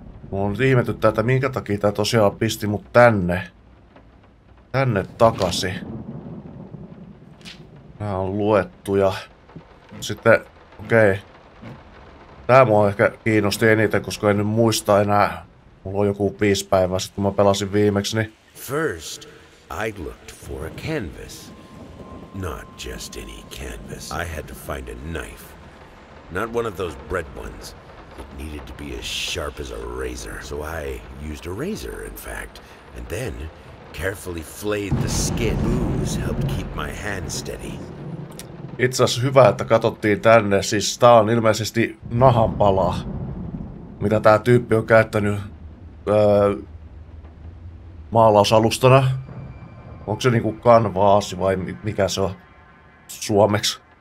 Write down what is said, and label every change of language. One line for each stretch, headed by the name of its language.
Finnish: Mulla on nyt ihmetty tätä, minkä takia tää tosiaan pisti mut tänne. Tänne takaisin. Nää on luettuja. Sitten, okei. Tää mua ehkä kiinnosti eniten, koska en nyt muista enää. Mulla on joku 5 päivää sit, kun mä pelasin viimeksi, niin
English: first, I looked for a canvas. Not just any canvas. I had to find a knife. Not one of those bread ones. It needed to be as sharp as a razor. So I used a razor, in fact. And then, carefully flayed the skin. Booze helped keep my hand steady.
Finnish: Itse asiassa hyvä, että katsottiin tänne. Siis tää on ilmeisesti nahanpala, mitä tää tyyppi on käyttänyt maalausalustana. Onko se niinku kanvaasi vai mikä se on suomeksi?